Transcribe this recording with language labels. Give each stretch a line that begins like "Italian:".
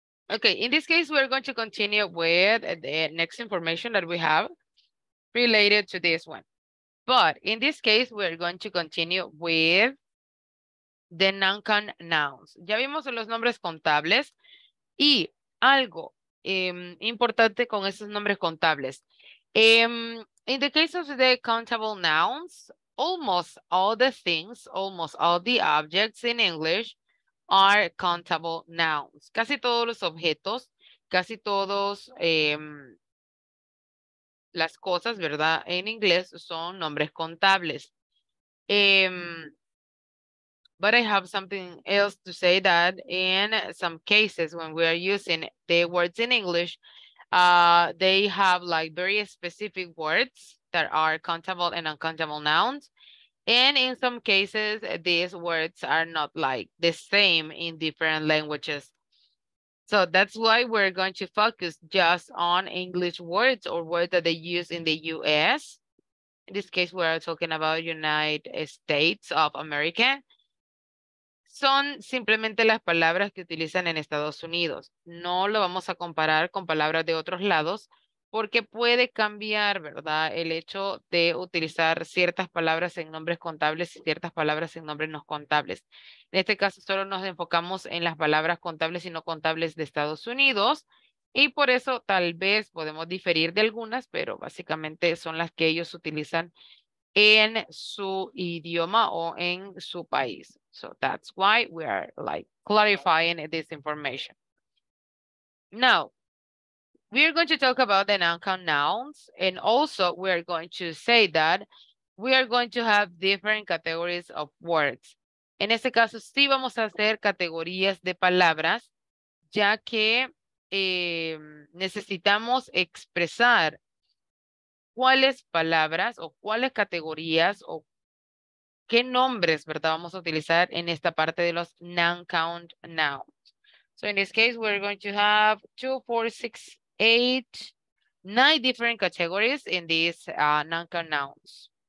English: Okay, in this case, we're going to continue with the next information that we have related to this one. But in this case, we're going to continue with the non-count nouns.
Spanish: Ya vimos los nombres contables y algo importante con esos nombres contables.
English: In the case of the countable nouns, almost all the things, almost all the objects in English are countable nouns.
Spanish: Casi todos los objetos, casi todos las cosas, ¿verdad? En inglés son nombres contables.
English: But I have something else to say, that in some cases when we are using the words in English, they have like very specific words that are countable and uncountable nouns. And in some cases, these words are not like the same in different languages. So that's why we're going to focus just on English words or words that they use in the US. In this case, we are talking about United States of America.
Spanish: Son simplemente las palabras que utilizan en Estados Unidos. No lo vamos a comparar con palabras de otros lados porque puede cambiar, ¿verdad? El hecho de utilizar ciertas palabras en nombres contables y ciertas palabras en nombres no contables. En este caso, solo nos enfocamos en las palabras contables y no contables de Estados Unidos y por eso tal vez podemos diferir de algunas, pero básicamente son las que ellos utilizan en su idioma o en su país.
English: So that's why we are like clarifying this information. Now, we are going to talk about the non-count nouns, and also we are going to say that we are going to have different categories of words.
Spanish: En este caso, sí vamos a hacer categorías de palabras, ya que necesitamos expresar cuáles palabras o cuáles categorías o ¿Qué nombres, verdad, vamos a utilizar en esta parte de los
English: noun count nouns? So in this case, we're going to have 2, 4, 6, 8, 9 different categories in these noun count nouns.